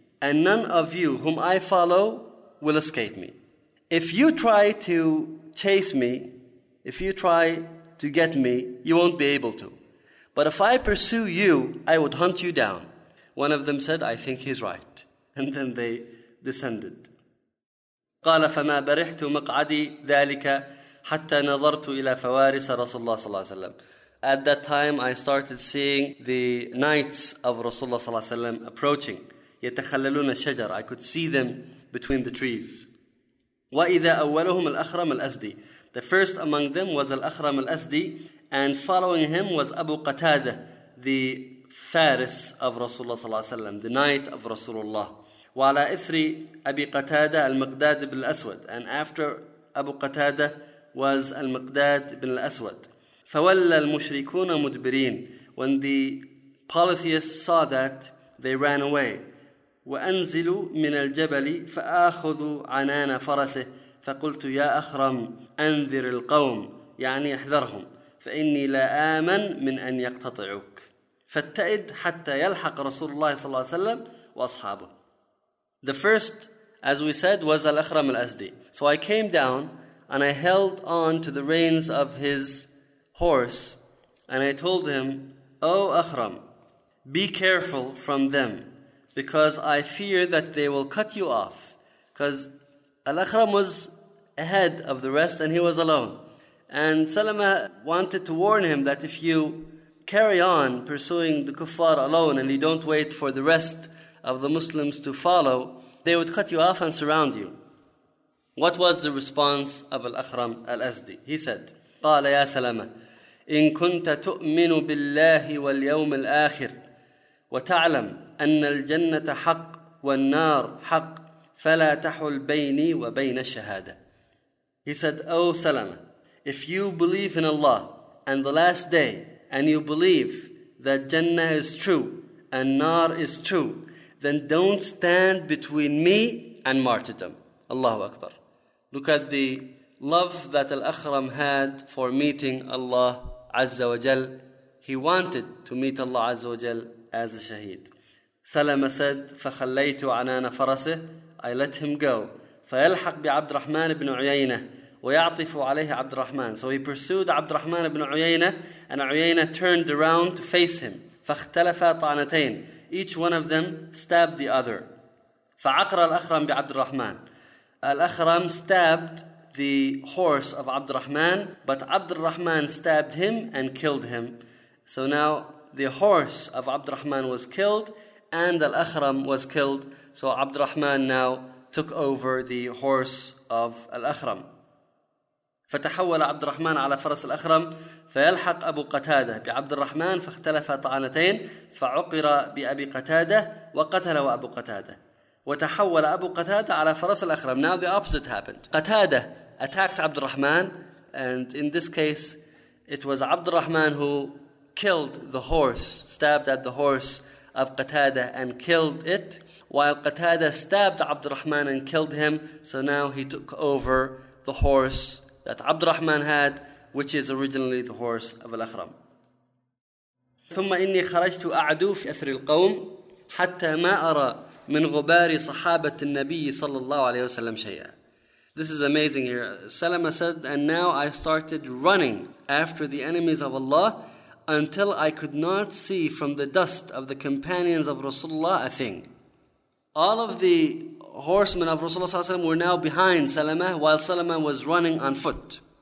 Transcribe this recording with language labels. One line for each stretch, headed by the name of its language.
English: And none of you whom I follow will escape me. If you try to chase me, if you try to get me, you won't be able to. But if I pursue you, I would hunt you down. One of them said, I think he's right. And then they descended.
Arabic: قال فما برحت مقعدي ذلك حتى نظرت إلى فوارس رسول الله صلى الله عليه وسلم.
English: At that time, I started seeing the knights of Rasulullah صلى الله عليه وسلم approaching.
Arabic: يتخللون الشجر.
English: I could see them between the trees.
Arabic: وإذا أولهم الأخرم الأسدي.
English: The first among them was الأخرم الأسدي. And following him was Abu Qatada, the Faris of Rasulullah sallallahu alaihi wasallam, the knight of Rasulullah.
Arabic: وَعَلَى إِثْرِ أَبِي قَتَادَ الْمَقْدَادِ بْنِ الْأَسْوَدِ.
English: And after Abu Qatada was al-Miqdad ibn al-Aswad.
Arabic: فَوَلَّ الْمُشْرِكُونَ مُدْبِرِينَ.
English: When the polytheists saw that, they ran away.
Arabic: وَأَنْزِلُ مِنَ الْجَبَلِ فَأَخُذُ عَنَانَ فَرَسِهِ فَقُلْتُ يَا أَخْرَمْ أَنْذِرِ الْقَوْمِ يعني احذرهم. فإني لا آمن من أن يقتطعوك فاتئد حتى يلحق رسول الله صلى الله عليه وسلم وأصحابه.
English: The first, as we said, was Al-Akhram Al-Asdi. So I came down and I held on to the reins of his horse and I told him, oh Akhram, be careful from them because I fear that they will cut you off. Because Al-Akhram was ahead of the rest and he was alone. And Salama wanted to warn him that if you carry on pursuing the kuffar alone and you don't wait for the rest of the Muslims to follow, they would cut you off and surround you. What was the response of Al-Akhram Al-Azdi? He said,
Arabic: قال يا سلامة إن كنت تؤمن بالله واليوم الآخر وتعلم أن الجنة حق والنار حق فلا تحل بيني وبين الشهادة.
English: He said, O Salama, if you believe in Allah and the last day, and you believe that Jannah is true and Nar is true, then don't stand between me and martyrdom. Allahu Akbar. Look at the love that Al-Akhram had for meeting Allah Azza wa Jal. He wanted to meet Allah Azza wa Jal as a shaheed. Salama said,
Arabic: فَخَلَّيْتُ عَنَانَ فَرَسِهِ.
English: I let him go.
Arabic: فَيَلْحَقْ بِعَبْدِ رَحْمَانِ بْنُ عُيَيْنَةِ وَيَعْطِفُ عَلَيْهِ عَبْدِ الرَّحْمَنِ.
English: So he pursued عَبْدِ الرَّحْمَنِ بْنُ عُيَيْنَةِ, and عُيَيْنَةِ turned around to face him. فَاخْتَلَفَ طَعْنَتَيْنِ. Each one of them stabbed the other. فَعَقْرَ الْأَخْرَمْ بِعَبْدِ الرَّحْمَنِ. Al-Akhram stabbed the horse of عَبْدِ الرَّحْمَنِ, but عَبْدِ الرَّحْمَنِ stabbed him and killed him. So now the horse of عَبْدِ الرَّحْمَنِ was killed, and Al-Akhram was killed. So عَبْدِ الرَّحْمَنِ now took over the horse of Al-Akhram.
Arabic: فتحول عبد الرحمن على فرس الأخرم فيلحق أبو قتادة بعبد الرحمن فاختلف طعنتين فعقر بأبي قتادة وقتل أبو قتادة وتحول أبو قتادة على فرس الأخرم.
English: Now the opposite happened. قتادة attacked عبد الرحمن, and in this case it was عبد الرحمن who killed the horse, stabbed at the horse of قتادة and killed it, while قتادة stabbed عبد الرحمن and killed him. So now he took over the horse that عبد الرحمن had, which is originally the horse of Al-Akhram.
Arabic: ثم إني خرجت أعدو في أثر القوم حتى ما أرى من غبار صحابة النبي صلى الله عليه وسلم شيئا.
English: This is amazing here. Salama said, and now I started running after the enemies of Allah until I could not see from the dust of the companions of Rasulullah a thing. All of the horsemen of Rasulullah ﷺ were now behind Salama, while Salama was running on foot.